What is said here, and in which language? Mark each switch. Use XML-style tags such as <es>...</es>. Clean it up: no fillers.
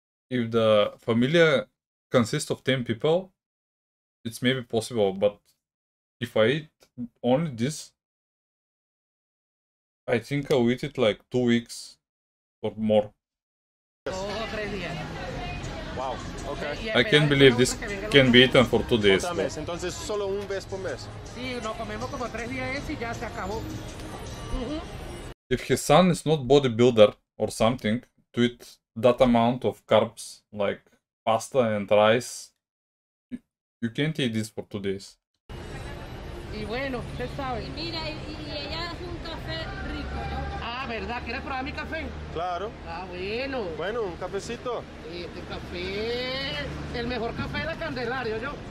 <en>If the familia consists of 10 people, it's maybe possible, but if I eat only this, I think I'll eat it like 2 weeks or more. 2 or 3 days. Wow, okay. I can't believe this can be eaten for 2 days.</en> <es>Entonces solo un vez por mes. Sí, nos comemos como 3 días y ya se acabó.</es> <en>If his son is not bodybuilder or something, to eat that amount of carbs like pasta and rice, you can't eat this for 2 days.</en> <es>Y bueno, usted sabe. Y mira, y ella hace un café rico. ¿Verdad? ¿Quieres probar mi café? Claro. Ah, bueno. Bueno, un cafecito. Este café, el mejor café de la Candelaria, ¿yo?</es>